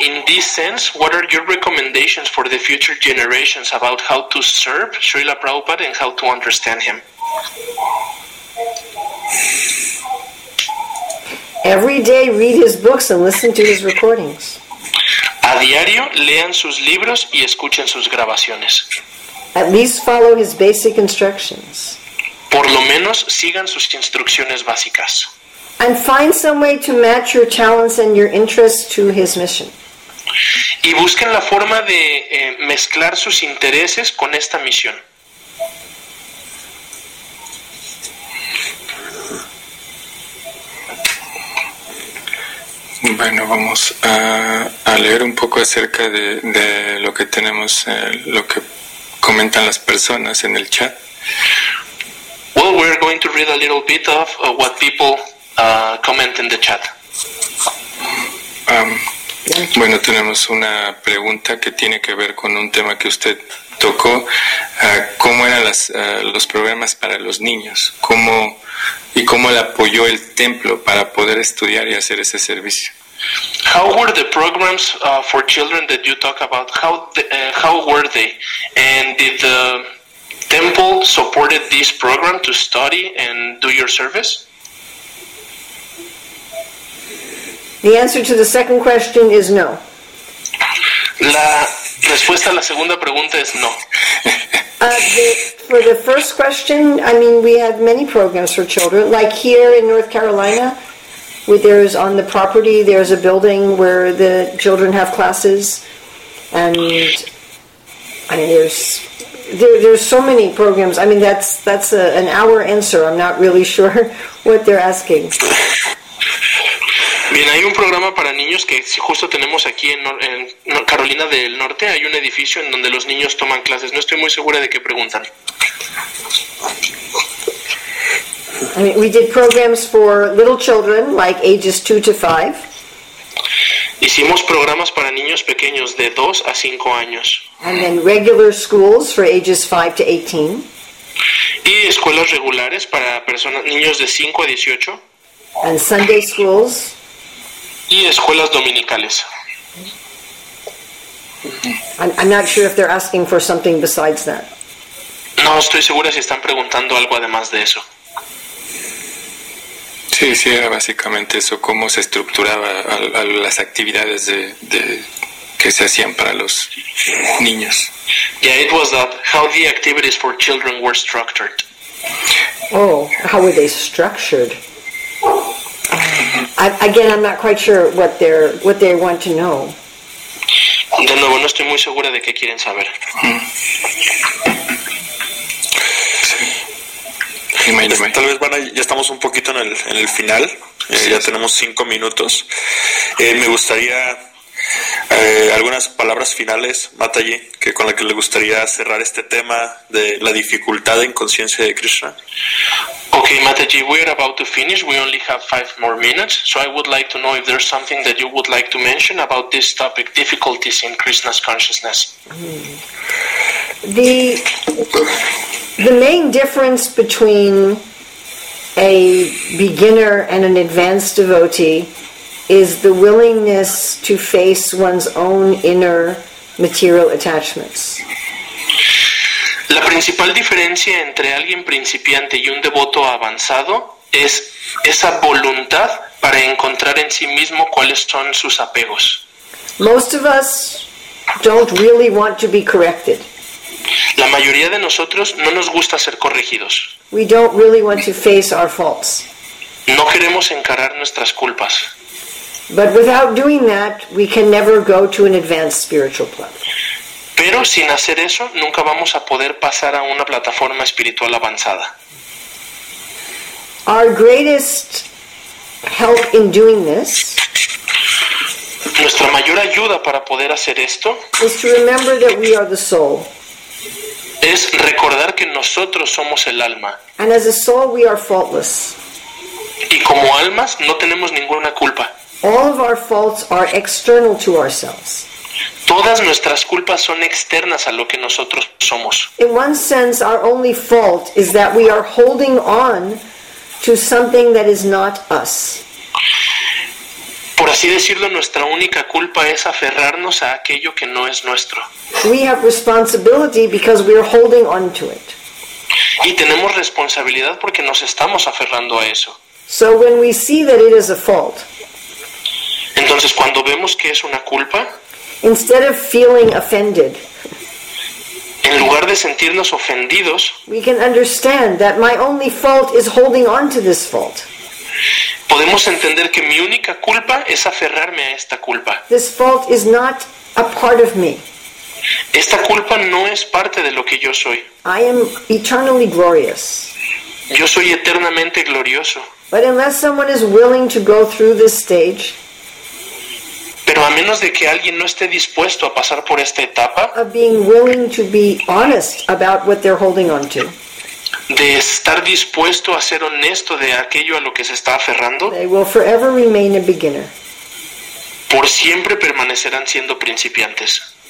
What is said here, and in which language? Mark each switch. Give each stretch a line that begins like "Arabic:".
English: In this sense, what are your recommendations for the future generations about how to serve Srila Prabhupada and how to understand him? Every day read his books and listen to his recordings.
Spanish: A diario lean sus libros y escuchen sus grabaciones.
English: At least follow his basic instructions.
Spanish: Por lo menos sigan sus instrucciones básicas.
English: And find some way to match your talents and your interests to his mission.
Spanish: Y busquen la forma de mezclar sus intereses con esta misión. Bueno, vamos a leer un poco acerca de lo que tenemos, lo que comentan las personas en el chat.
English: Well, we're going to read a little bit of what people comment in the chat.
Spanish: Bueno, tenemos una pregunta que tiene que ver con un tema que usted tocó. ¿Cómo eran los programas para los niños? ¿Cómo le apoyó el templo para poder estudiar y hacer ese servicio?
English: How were the programs for children that you talk about? How were they? And did the temple supported this program to study and do your service? The answer to the second question is no.
Spanish: La respuesta a la segunda pregunta es no.
English: For the first question, I mean, we had many programs for children, like here in North Carolina. There is on the property, there is a building where the children have classes, and I mean, there's so many programs. I mean, that's an hour answer. I'm not really sure what they're asking.
Spanish: Bien, hay un programa para niños que justo tenemos aquí en Carolina del Norte. Hay un edificio en donde los niños toman clases. No estoy muy segura de qué preguntan.
English: I mean, we did programs for little children, like ages 2 to 5.
Spanish: Hicimos programas para niños pequeños de 2 a 5 años.
English: And then regular schools for ages 5 to 18.
Spanish: Y escuelas regulares para niños de 5 a 18.
English: And Sunday schools.
Spanish: Y escuelas dominicales.
English: I'm not sure if they're asking for something besides that.
Spanish: No estoy segura si están preguntando algo además de eso. Sí, era básicamente eso, cómo se estructuraba las actividades de que se hacían para los niños.
English: Yeah, it was that, how the activities for children were structured. Oh, how were they structured? I'm not quite sure what they want to know.
Spanish: De nuevo, no estoy muy segura de qué quieren saber. Tal vez ya estamos un poquito en el final, ya tenemos 5 minutos. Me gustaría algunas palabras finales, Mataji, con la que le gustaría cerrar este tema de la dificultad en conciencia de Krishna.
English: Okay, Mataji, we are about to finish. We only have 5 more minutes, so I would like to know if there's something that you would like to mention about this topic, difficulties in Krishna's consciousness. The main difference between a beginner and an advanced devotee is the willingness to face one's own inner material attachments.
Spanish: La principal diferencia entre alguien principiante y un devoto avanzado es esa voluntad para encontrar en sí mismo cuáles son sus apegos.
English: Most of us don't really want to be corrected.
Spanish: La mayoría de nosotros no nos gusta ser corregidos.
English: We don't really want to face our faults.
Spanish: No queremos encarar nuestras culpas.
English: But without doing that, we can never go to an advanced spiritual platform.
Spanish: Pero sin hacer eso, nunca vamos a poder pasar a una plataforma espiritual avanzada.
English: Our greatest help in doing this.
Spanish: Nuestra mayor ayuda para poder hacer esto.
English: Is to remember that we are the soul.
Spanish: Es recordar que nosotros somos el alma.
English: And as a soul, we are faultless.
Spanish: Y como almas, no tenemos ninguna culpa.
English: All of our faults are external to ourselves.
Spanish: Todas nuestras culpas son externas a lo que nosotros somos.
English: In one sense, our only fault is that we are holding on to something that is not us.
Spanish: Por así decirlo, nuestra única culpa es aferrarnos a aquello que no es nuestro.
English: We have responsibility because we are holding on to it.
Spanish: Y tenemos responsabilidad porque nos estamos aferrando a eso.
English: So when we see that it is a fault,
Spanish: entonces cuando vemos que es una culpa,
English: instead of feeling offended,
Spanish: en lugar de sentirnos ofendidos,
English: we can understand that my only fault is holding on to this fault.
Spanish: Podemos entender que mi única culpa es aferrarme a esta culpa.
English: This fault is not a part of me.
Spanish: Esta culpa no es parte de lo que yo soy.
English: I am eternally glorious.
Spanish: Yo soy eternamente glorioso.
English: But unless someone is willing to go through this stage,
Spanish: pero a menos de que alguien no esté dispuesto a pasar por esta etapa,
English: of being willing to be honest about what they're holding on to,
Spanish: de estar dispuesto a ser honesto de aquello a lo que se está aferrando,
English: they will forever remain a beginner.
Spanish: Por siempre permanecerán siendo principiantes.